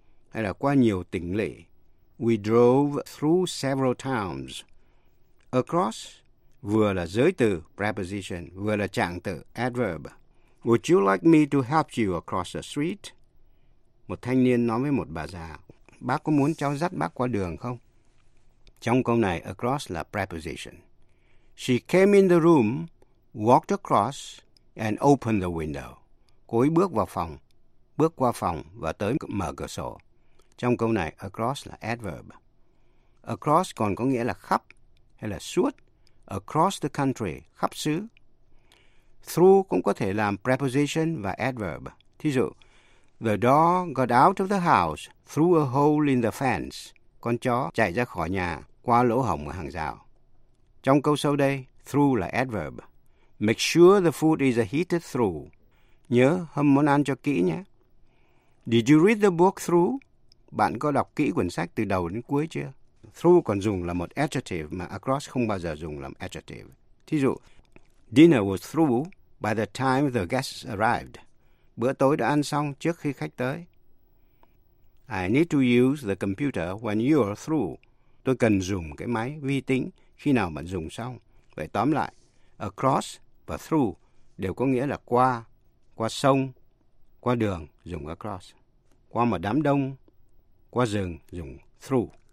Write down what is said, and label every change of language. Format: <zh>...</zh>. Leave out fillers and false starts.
<vi>Hay là qua nhiều tỉnh lỵ.</vi> <en>We drove through several towns.</en> <vi>Across vừa là giới từ, preposition, vừa là trạng từ, adverb.</vi> <en>Would you like me to help you across the street?</en> <vi>Một thanh niên nói với một bà già, bác có muốn cháu dắt bác qua đường không? Trong câu này, across là preposition.</vi> <en>She came in the room, walked across, and opened the window.</en> <vi>Cô ấy bước vào phòng, bước qua phòng và tới mở cửa sổ. Trong câu này, across là adverb. Across còn có nghĩa là khắp hay là suốt.</vi> <en>Across the country,</en> <vi>khắp xứ. Through cũng có thể làm preposition và adverb. Thí dụ,</vi> <en>the dog got out of the house through a hole in the fence.</en> <vi>Con chó chạy ra khỏi nhà qua lỗ hổng ở hàng rào. Trong câu sau đây, through là adverb.</vi> <en>Make sure the food is heated through.</en> <vi>Nhớ hâm món ăn cho kỹ nhé.</vi> <en>Did you read the book through?</en> <vi>Bạn có đọc kỹ quyển sách từ đầu đến cuối chưa? Through còn dùng là một adjective mà across không bao giờ dùng làm adjective. Thí dụ,</vi> <en>dinner was through by the time the guests arrived.</en> <vi>Bữa tối đã ăn xong trước khi khách tới.</vi> <en>I need to use the computer when you're through.</en> <vi>Tôi cần dùng cái máy vi tính khi nào bạn dùng xong. Vậy tóm lại, across và through đều có nghĩa là qua, qua sông, qua đường dùng across. Qua một đám đông, qua rừng dùng through.</vi>